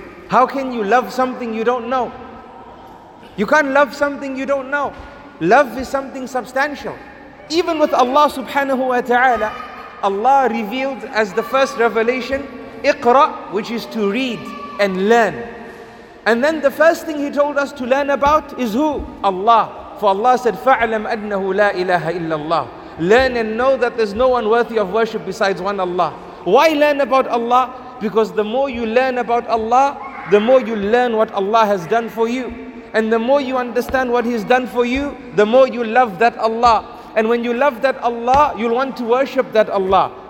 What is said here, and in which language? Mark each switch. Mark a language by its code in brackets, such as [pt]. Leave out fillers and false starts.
[en] How can you love something you don't know? You can't love something you don't know. Love is something substantial. Even with Allah subhanahu wa ta'ala, Allah revealed as the first revelation, Iqra, which is to read and learn. And then the first thing He told us to learn about is who? Allah. For Allah said, [ar] فَعْلَمْ أَنَّهُ لَا إِلَهَ إِلَّا اللَّهِ. [en] Learn and know that there's no one worthy of worship besides one Allah. Why learn about Allah? Because the more you learn about Allah, the more you learn what Allah has done for you. And the more you understand what He's done for you, the more you love that Allah. And when you love that Allah, you'll want to worship that Allah.